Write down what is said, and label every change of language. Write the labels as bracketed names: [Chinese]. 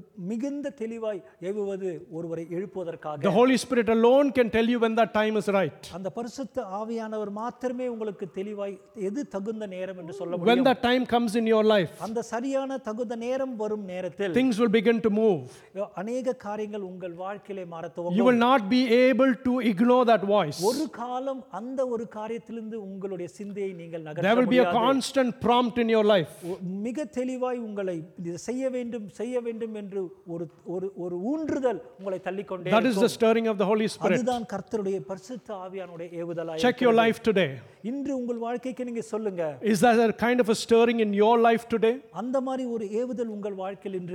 [Tamil] மிகுந்த தெளிவாய் ஏவுவது ஒருவரை எழுப்புவதற்காக. [English] The Holy Spirit alone can tell you when that time is right. [Tamil] அந்த பரிசுத்த ஆவியானவர் மாத்திரமே உங்களுக்கு தெளிவாய் எது தகுந்த நேரம் என்று சொல்ல முடியும். [English] When that time comes in your life. [Tamil] அந்த சரியான தகுந்த நேரம் வரும் நேரத்தில் [English] things will begin to move. [Tamil] அநேக காரியங்கள் உங்கள் வாழ்க்கையிலே மாறத் துவங்கும். [English] You will not be able to ignore that voice. [Tamil] ஒரு காலம் அந்த ஒரு காரியத்திலிருந்து உங்களுடைய சிந்தையை நீங்கள் நகர்த்த முடியாது. [English] There will be a constant prompt in your life. [Tamil] மிக தெளிவாய் உங்களை செய்ய வேண்டும் செய்ய வேண்டும். [English] That is the stirring of the Holy Spirit. [Tamil] அதுதான் கர்த்தருடைய பரிசுத்த ஆவியானவருடைய ஏவுதலாய். [English] Check your life today. [Tamil] இன்று உங்கள் வாழ்க்கைக்கு நீங்க சொல்லுங்க. [English] Is there a kind of a stirring in your life today? [Tamil] அந்த மாதிரி ஒரு ஏவுதல் உங்கள் வாழ்க்கையில் இன்று